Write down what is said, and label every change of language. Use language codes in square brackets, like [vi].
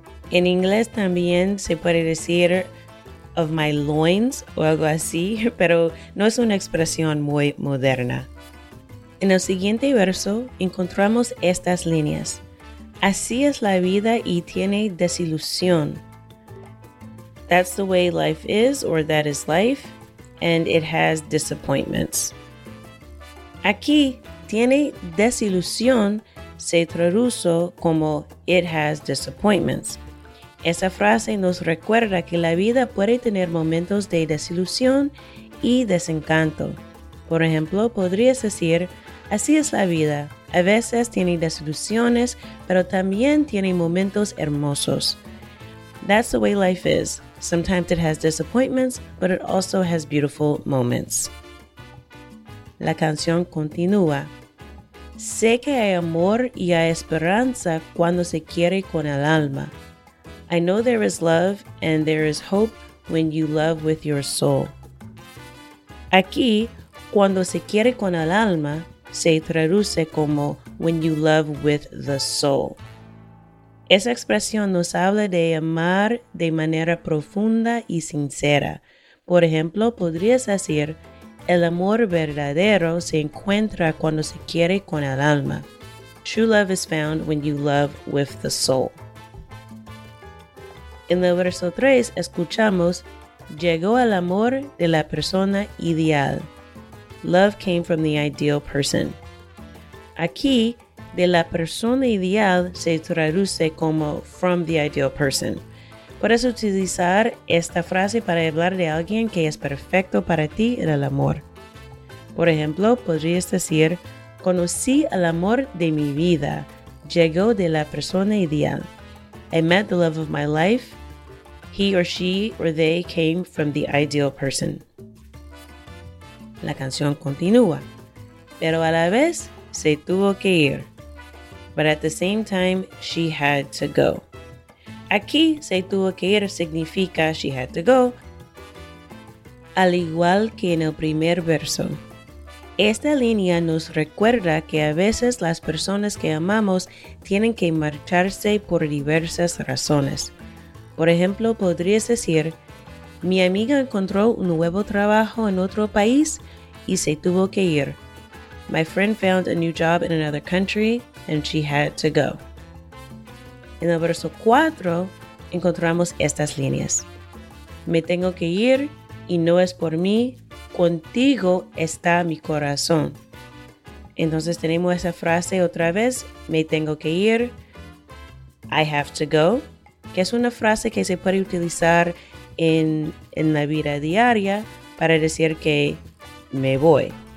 [es] En inglés también se puede decir [en] of my loins [es] o algo así, pero no es una expresión muy moderna. En el siguiente verso encontramos estas líneas. Así es la vida y tiene desilusión. [en] That's the way life is, or that is life, and it has disappointments. [es] Aquí, tiene desilusión se traduce como [en] it has disappointments. [es] Esa frase nos recuerda que la vida puede tener momentos de desilusión y desencanto. Por ejemplo, podrías decir, así es la vida. A veces tiene desilusiones, pero también tiene momentos hermosos. [en] That's the way life is. Sometimes it has disappointments, but it also has beautiful moments. [es] La canción continúa. Sé que hay amor y hay esperanza cuando se quiere con el alma. [en] I know there is love and there is hope when you love with your soul. [es] Aquí, cuando se quiere con el alma, se traduce como [en] when you love with the soul. [es] Esa expresión nos habla de amar de manera profunda y sincera. Por ejemplo, podrías decir, el amor verdadero se encuentra cuando se quiere con el alma. [en] True love is found when you love with the soul. [es] En el verso 3 escuchamos, llegó el amor de la persona ideal. [en] Love came from the ideal person. [es] Aquí, de la persona ideal se traduce como [en] from the ideal person. [es] Puedes utilizar esta frase para hablar de alguien que es perfecto para ti en el amor. Por ejemplo, podrías decir, conocí el amor de mi vida. Llegó de la persona ideal. [en] I met the love of my life. he or she or they came from the ideal person. [es] La canción continúa, pero a la vez se tuvo que ir. [en] But at the same time, she had to go. [es] Aquí, se tuvo que ir significa [en] she had to go. [es] Al igual que en el primer verso. Esta línea nos recuerda que a veces las personas que amamos tienen que marcharse por diversas razones. Por ejemplo, podrías decir, mi amiga encontró un nuevo trabajo en otro país y se tuvo que ir. [en] My friend found a new job in another country and she had to go. [es] En el verso 4 encontramos estas líneas. Me tengo que ir y no es por mí, contigo está mi corazón. Entonces tenemos esa frase otra vez, me tengo que ir, [en] I have to go, [es] que es una frase que se puede utilizar en la vida diaria para decir que me voy.